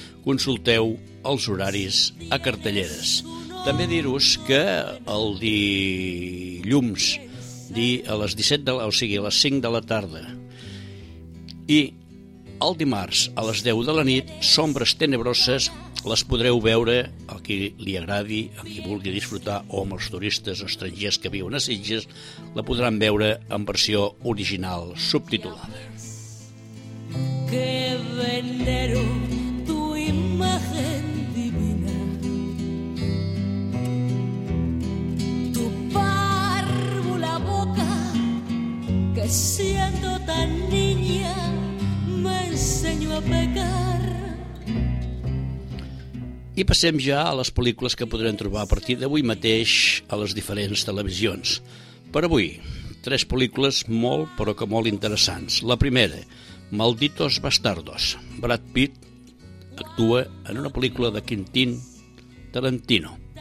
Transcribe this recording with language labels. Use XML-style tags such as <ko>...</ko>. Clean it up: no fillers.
<ca>Consulteu els horaris a cartelleres. També dir-vos que el dilluns, a les 17 de, o sigui, a les 5 de la tarda, i el dimarts a les 10 de la nit, Sombres Tenebroses les podreu veure a qui li agradi, a qui vulgui disfrutar, o amb els turistes estrangers que viuen a Sitges, la podran veure en versió original subtitulada.</ca> <es>Que venero tu imagen divina, tu párvula boca, que siendo tan niña me enseño a pecar.</es> <ca>I passem ja a les pel·lícules que podrem trobar a partir d'avui mateix a les diferents televisions. Per avui, tres pel·lícules molt, però que molt interessants. La primera, Malditos Bastardos. Brad Pitt actua en una pel·lícula de Quentin Tarantino.</ca>